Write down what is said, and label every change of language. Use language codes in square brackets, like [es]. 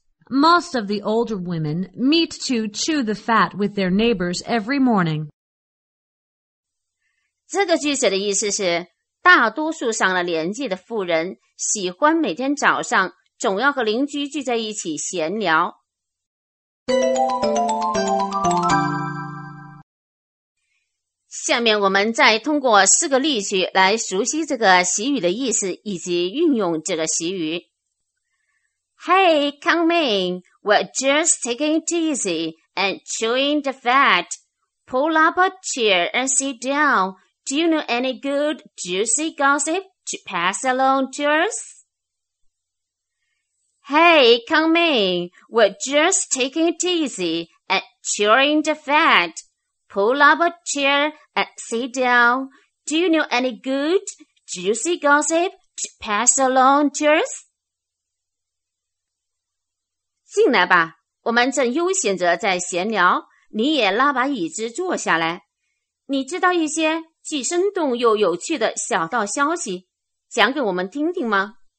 [en] Most of the older women meet to chew the fat with their neighbors every morning. [zh] 这个句子的意思是，大多数上了年纪的妇人喜欢每天早上总要和邻居聚在一起闲聊。下面我们再通过四个例句来熟悉这个习语的意思以及运用这个习语。 [en] Hey, come in. We're just taking it easy and chewing the fat. Pull up a chair and sit down. Do you know any good juicy gossip to pass along to us? Hey, come in. We're just taking it easy and chewing the fat. Pull up a chair and sit down. Do you know any good juicy gossip to pass along to us? [zh] 进来吧，我们正悠闲着在闲聊，你也拉把椅子坐下来。你知道一些既生动又有趣的小道消息，讲给我们听听吗？